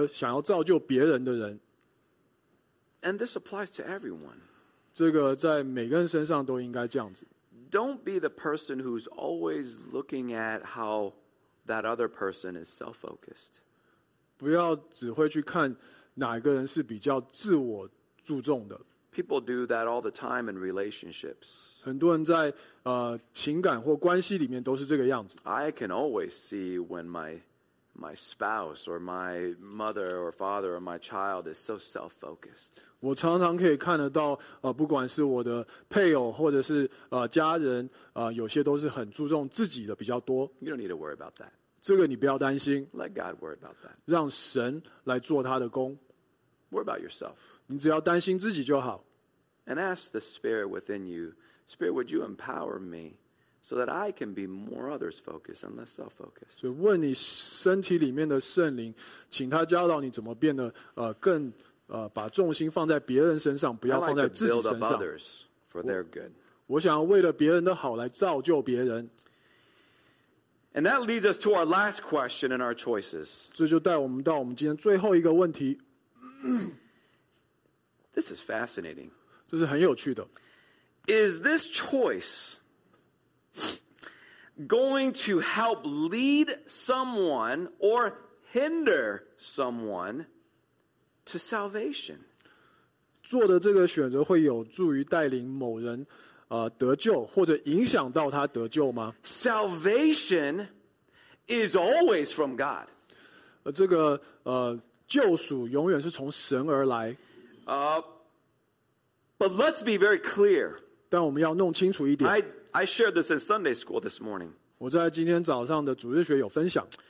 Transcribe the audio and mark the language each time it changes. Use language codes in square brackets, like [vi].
[zh] 我今天想要挑战你们在与圣灵对话的时候跟他说我想要成为一个更不注重自己而想要造就别人的人。 [en] And this applies to everyone. [zh] 这个在每个人身上都应该这样子。 [en] Don't be the person who's always looking at how that other person is self-focused. [zh] 不要只会去看哪一个人是比较自我注重的。 [en] People do that all the time in relationships. [zh] 很多人在, 情感或关系里面都是这个样子。 [en] I can always see when my spouse or my mother or father or my child is so self-focused. [zh] 我常常可以看得到, 不管是我的配偶或者是, 家人, 有些都是很注重自己的比较多。 [en] You don't need to worry about that. [zh] 这个你不要担心。 [en] Let God worry about that. [zh] 让神来做他的工。 [en] Worry about yourself. [zh] 你只要担心自己就好。 [en] And ask the Spirit within you, Spirit, would you empower me so that I can be more others-focused and less self-focused? [zh] 所以问你身体里面的圣灵, 请他教导你怎么变得, 把重心放在别人身上, 不要放在自己身上。 [en] I like to build up others for their good. [zh] 我想要为了别人的好来造就别人。 [en] And that leads us to our last question in our choices. [zh] 这就带我们到我们今天最后一个问题。 [en] This is fascinating. [zh] 这是很有趣的。 [en] Is this choice going to help lead someone or hinder someone to salvation? [zh] 做的这个选择会有助于带领某人, 得救, 或者影响到他得救吗? [en] Salvation is always from God. [zh] 这个, 救赎永远是从神而来。 [en] But let's be very clear. [zh] 但我们要弄清楚一点。 [en] I shared this in Sunday school this morning. [zh] 我在今天早上的主日学有分享。